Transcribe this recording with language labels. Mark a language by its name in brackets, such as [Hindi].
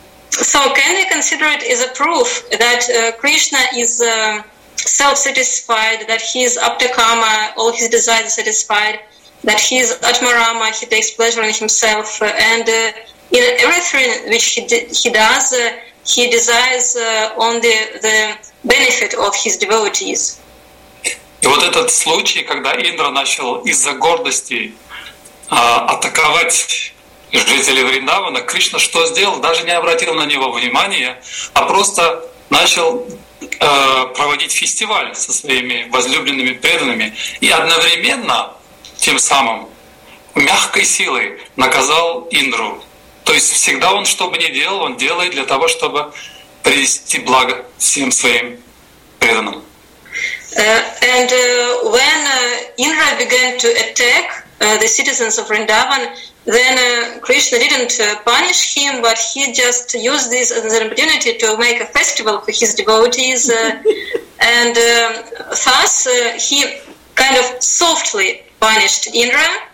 [English] So, can we consider it as a proof that Krishna is self-satisfied, that he is aptakama, all his desires are satisfied, that he is atmarama, he takes pleasure in himself, and in everything which he does... He desires only the benefit of his devotees. [Russian] И вот этот случай, когда Индра начал из-за гордости атаковать жителей Вриндавана, Кришна что сделал? Даже не обратил на него внимания, а просто начал проводить фестиваль со своими возлюбленными преданными и одновременно тем самым мягкой силой наказал Индру. То есть всегда он, что бы ни делал, он делает для того, чтобы принести благо всем своим преданным. [English] And when Indra began to attack the citizens of Vrindavan, then Krishna didn't punish him, but he just used this as an opportunity to make a festival for his devotees. And thus he kind of softly punished Indra.